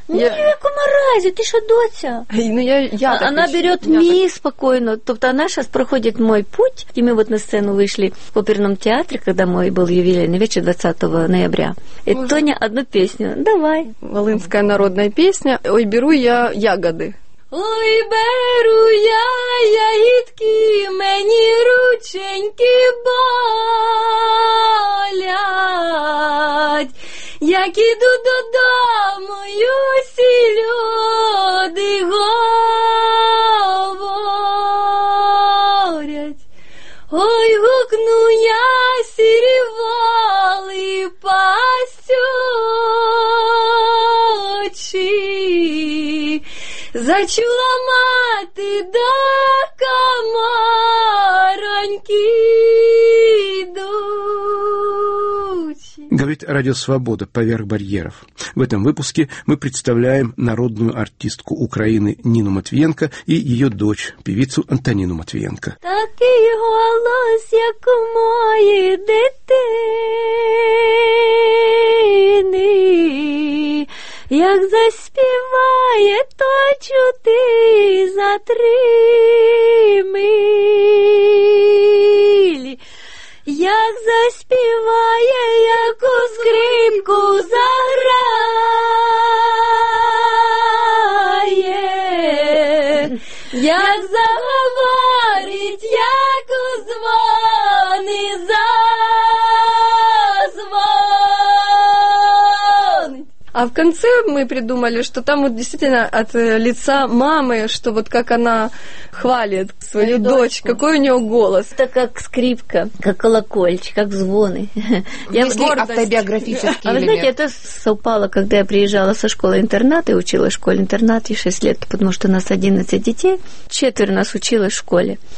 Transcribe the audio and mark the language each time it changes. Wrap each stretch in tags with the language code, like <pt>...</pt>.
<ru>Ни в каком разе, ты что, Дося? Ну, я она берет ми так... спокойно. Тобто она сейчас проходит мой путь. И мы вот на сцену вышли в оперном театре, когда мой был юбилейный вечер 20 ноября. И уже... Тоня одну песню. Давай. Волынская народная песня. «Ой, беру я ягоды».</ru> <uk>Ой, беру я ягідки, мені рученьки болять. Як іду додому, усі люди говорять. Ой, гукну я сірі воли пастючі. Зачула мати до комороньки йдучи.</uk> <ru>Говорит радио «Свобода» поверх барьеров. В этом выпуске мы представляем народную артистку Украины Нину Матвиенко и ее дочь, певицу Антоніну Матвиенко.</ru> <uk>Такий голос, як у моєї дитини. Як заспіває, то чути за три милі. Як заспіває, як у скрипку заграє. Як заговорить, як у дзвони задзвонить.</uk> <ru>А в конце мы придумали, что там вот действительно от лица мамы, что вот как она хвалит свою дочь, какой у нее голос. Это как скрипка, как колокольчик, как звоны. Если автобиографический элемент. А вы знаете, это совпало, когда я приезжала со школы-интерната и училась в школе-интернате 6 лет, потому что у нас 11 детей, четверо нас училось в школе.</ru>